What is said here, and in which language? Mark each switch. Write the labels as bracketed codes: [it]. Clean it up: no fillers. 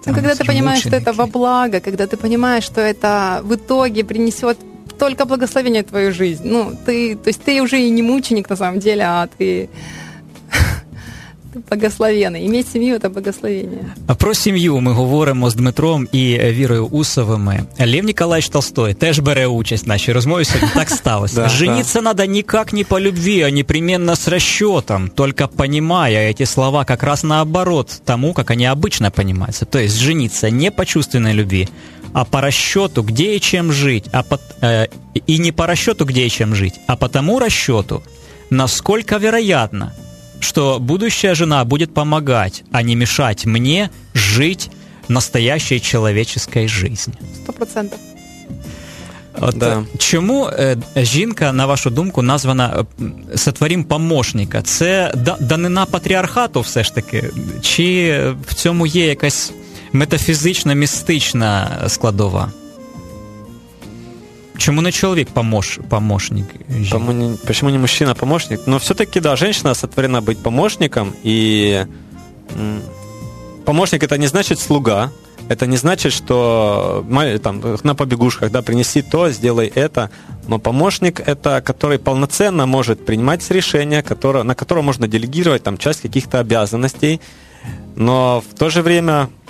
[uk] Там, ну, коли ти розумієш, що це [ru] во благо, [uk] коли ти розумієш, що це [ru] в итоге [uk] принесе тільки благословення в твою життя. Ну, ти вже і не мученик, [ru] на самом деле, [uk] а ти... Благословенний. Іметь сім'ю – це благословення. Про сім'ю ми говоримо з Дмитром і Вірою Усовими. Лев Ніколаєвич Толстой теж бере участь в нашій розмові сьогодні. Так сталося. [ru] Жениться надо никак не по любви, а непременно с расчетом. Только понимая эти слова как раз наоборот тому, как они обычно понимаются. То есть жениться не по чувственной любви, а по расчету, где и чем жить. И не по расчету, где и чем жить, а по тому расчету, насколько вероятно, что будущая жена будет помогать, а не мешать мне жить настоящей человеческой жизнью. 100%. [uk] От, да. Чому жінка, на вашу думку, названа [ru] сотворим помощника? [uk] Це данина патріархату все ж таки? Чи в цьому є якась метафізична, містична складова? Чому не чоловік помощник? Чому не мужчина помощник? [ru] Ну, все-таки, да, женщина сотворена быть помощником, и помощник это не значит слуга, это не значит, что там, на побегушках, да, принеси то, сделай это, но помощник это, который полноценно может принимать решения, на которое можно делегировать там часть каких-то обязанностей, но в то же время